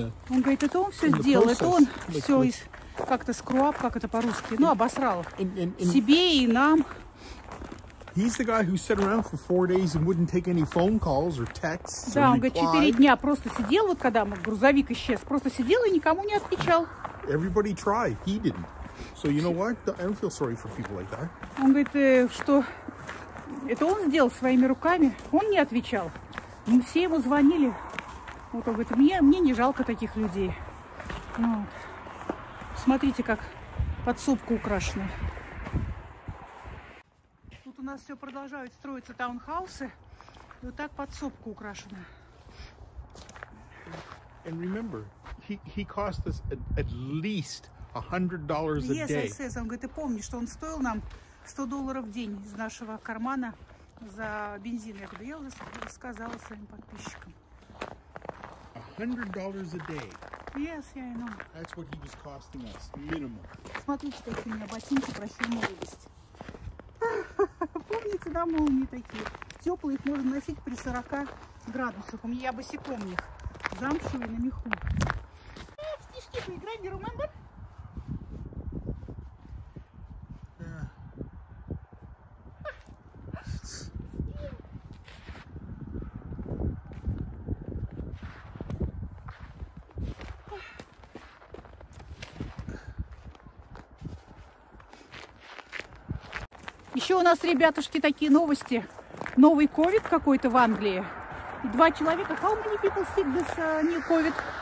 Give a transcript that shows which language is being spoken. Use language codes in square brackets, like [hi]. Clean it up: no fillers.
[ru] Он говорит, это он все сделал, это он все как-то скруап, как это по-русски, ну, обосрал себе и нам. [en] He's the guy who sat around for 4 days and wouldn't take any phone calls or texts. [ru] Да, он говорит, 4 дня просто сидел, вот когда грузовик исчез, просто сидел и никому не отвечал. [en] Everybody tried, he didn't. So you know what? I don't feel sorry for people like that. [ru] Он говорит, что это он сделал своими руками, он не отвечал. Мы все ему звонили, Вот он говорит, мне не жалко таких людей. Вот. Смотрите, как подсобка украшена. Тут у нас все продолжают строиться таунхаусы. И вот так подсобка украшена. [en] And remember, he cost us at least $100 a day. Yes, yes, [ru] он говорит, ты помнишь, что он стоил нам $100 в день из нашего кармана за бензин. Я говорю, я уже сказала своим подписчикам. [en] $100 a day. Yes, я и know. That's what he was costing us, minimum. [ru] Смотрите, какие у меня ботинки, прощу молодость. Помните, да, молнии такие? Теплые, их можно носить при 40 градусах. У меня босиком их. Замшевый на меху. В стишки поиграй, не remember? Еще у нас, ребятушки, такие новости. Новый ковид какой-то в Англии. Два человека. [en] How many people sick this new COVID?